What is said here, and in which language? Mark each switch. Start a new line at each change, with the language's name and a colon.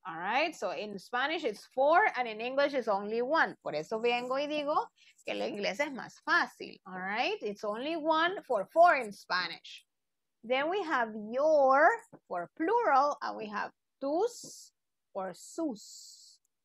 English: All right, so in Spanish it's four and in English it's only one.
Spanish: Por eso vengo y digo que el inglés es más fácil.
English: All right, it's only one for four in Spanish. Then we have your for plural and we have tus or sus.